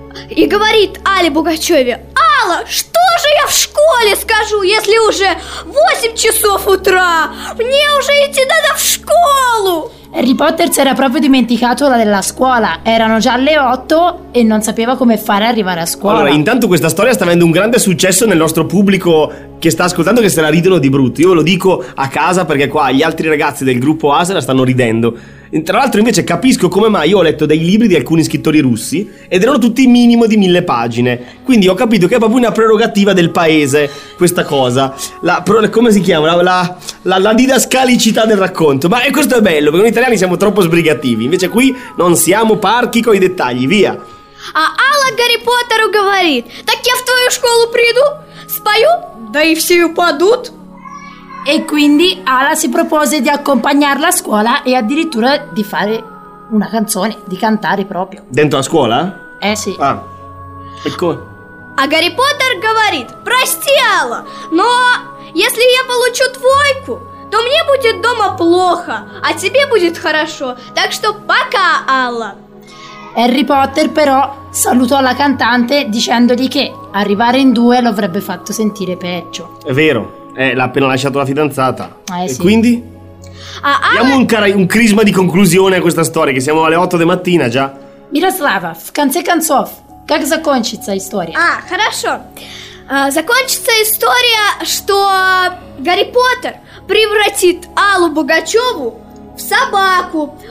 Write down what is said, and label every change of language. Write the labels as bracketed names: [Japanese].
[Russian] И говорит Але Пугачёве: «Алла, что же я в школе скажу, если уже 8 часов утра? Мне уже идти надо в школу!» [Italian] Harry Potter si era proprio dimenticato la della scuola. Erano già le 8 e non sapeva come fare ad arrivare a scuola. Allora, intanto questa storia sta avendo un grande successo nel nostro pubblico che sta ascoltando, che se la ridono di brutto. Io lo dico a casa perché qua gli altri ragazzi del gruppo A se la stanno ridendo. Tra l'altro invece capisco come mai. Io ho letto dei libri di alcuni scrittori russi ed erano tutti minimo di 1000 pagine. Quindi ho capito che è proprio una prerogativa del paese questa cosa. Come si chiama? La didascalicità del racconto. Ma questo è bello, perché noi italiani siamo troppo sbrigativi. Invece qui non siamo parchi coi dettagli, via. [Russian] A Alla Гарри Поттеру говорит: «Так я в твою школу приду, спою, да и все упадут». [Italian] E quindi Ala si propose di accompagnarla a scuola e addirittura di fare una canzone, di cantare proprio. Dentro la scuola? Sì. [Russian] A Гарри Поттер говорит: «Прости, Алла, но если я получу двойку, то мне будет дома плохо, а тебе будет хорошо. Так что пока, Алла». [Italian] Harry Potter però salutò la cantante dicendogli che arrivare in due lo avrebbe fatto sentire peggio. È vero. L'ha appena lasciato la fidanzata. Sì. E quindi? Diamo un crisma di conclusione a questa storia, che siamo alle 8 di mattina già. [Russian] Miroslava, в конце концов, как закончится история? Хорошо. Закончится история, что Гарри Поттер превратит Аллу Пугачёву в собаку.